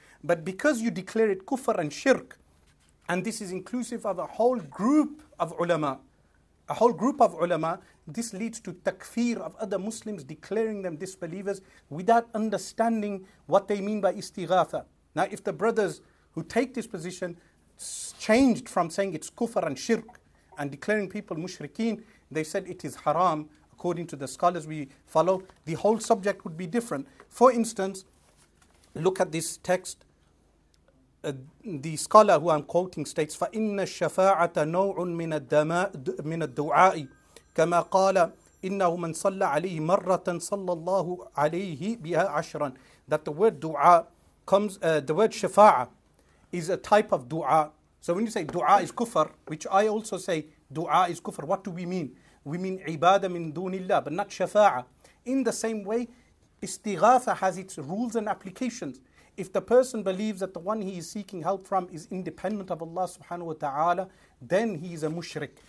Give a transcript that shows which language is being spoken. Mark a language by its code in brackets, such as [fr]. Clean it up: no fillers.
[en] But because you declare it kufr and shirk, and this is inclusive of a whole group of ulama, a whole group of ulama, this leads to takfir of other Muslims declaring them disbelievers without understanding what they mean by istighatha. Now, if the brothers who take this position changed from saying it's kufr and shirk and declaring people mushrikeen, they said it is haram, according to the scholars we follow, the whole subject would be different. For instance, look at this text. The scholar who I'm quoting states, [ar] فَإِنَّ الشَّفَاعَةَ نَوْعٌ مِنَ الدُّعَاءِ كَمَا قَالَ إِنَّهُ مَنْ صَلَّ عَلَيْهِ مَرَّةً صَلَّ اللَّهُ عَلَيْهِ بِهَا عَشْرًا. [en] That the word dua comes, the word shafa'a is a type of dua. So when you say dua is kufr, which I also say dua is kufr, what do we mean? We mean [ar] ibadah min dunillah, [en] but not shafa'a. In the same way, istighatha has its rules and applications. If the person believes that the one he is seeking help from is independent of Allah subhanahu wa ta'ala, then he is a mushrik.